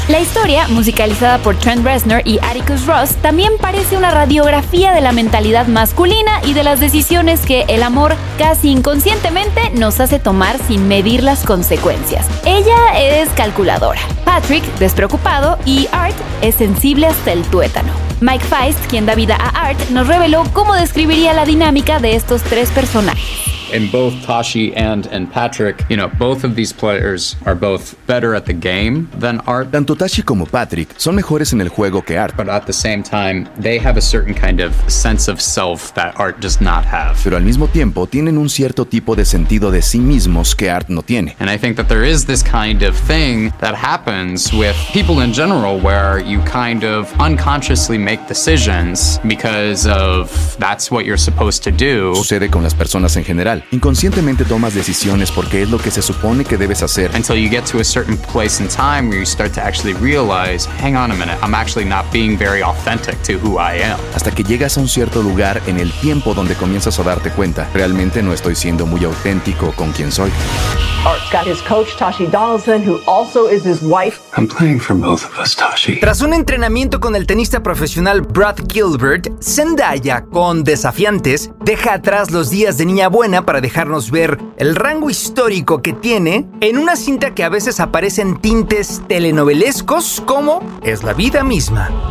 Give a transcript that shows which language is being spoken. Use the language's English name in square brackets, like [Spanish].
[Spanish] La historia, musicalizada por Trent Reznor y Atticus Ross, también parece una radiografía de la mentalidad masculina y de las decisiones que el amor casi inconscientemente nos hace tomar sin medir las consecuencias. Ella es calculadora, Patrick, despreocupado, y Art es sensible hasta el tuétano. Mike Feist, quien da vida a Art, nos reveló cómo describiría la dinámica de estos tres personajes. [English] In both Tashi and Patrick, you know, both of these players are both better at the game than Art. [Spanish] Tanto Tashi como Patrick son mejores en el juego que Art. [English] But at the same time, they have a certain kind of sense of self that Art does not have. [Spanish] Pero al mismo tiempo, tienen un cierto tipo de sentido de sí mismos que Art no tiene. [English] And I think that there is this kind of thing that happens with people in general where you kind of unconsciously make decisions because of that's what you're supposed to do. [Spanish] Sucede con las personas en general. Inconscientemente tomas decisiones porque es lo que se supone que debes hacer. [English] Until you get to a certain place in time where you start to actually realize, hang on a minute, I'm actually not being very authentic to who I am. [Spanish] Hasta que llegas a un cierto lugar en el tiempo donde comienzas a darte cuenta, realmente no estoy siendo muy auténtico con quien soy. [English] Art's got his coach, Tashi Donaldson, who also is his wife, I'm playing for both of us, Tashi. [Spanish] Tras un entrenamiento con el tenista profesional Brad Gilbert, Zendaya, con Desafiantes, deja atrás los días de Niña Buena para dejarnos ver el rango histórico que tiene en una cinta que a veces aparece en tintes telenovelescos como Es la vida misma.